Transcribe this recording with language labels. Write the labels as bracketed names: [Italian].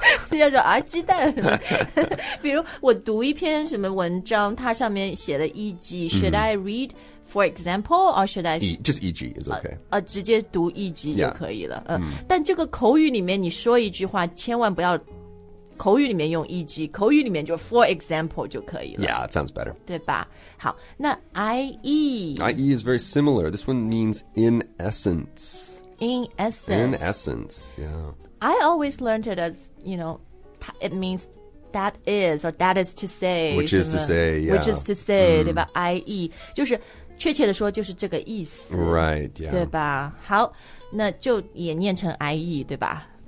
[Chinese] 叫做、鸡蛋比如我读一篇什么文章它上面写了 EG、 [English] should I read for example or should I just EG is okay、 [Chinese] 直接读 EG 就可以了、但这个口语里面你说一句话千万不要口语里面用 EG, 口语里面就 for example 就可以了。 [English] Yeah, it sounds better. [Chinese] 对吧？好，那 IE? [English] IE is very similar. This one means in essence. In essence. In essence, yeah. I always learned it as, you know, it means that is or that is to say. Which is to say, yeah. Which is to say,、 [Chinese] 对吧 ?IE, 就是确切的说就是这个意思。 [English] Right, yeah. [Chinese] 对吧？好，那就也念成 IE, 对吧？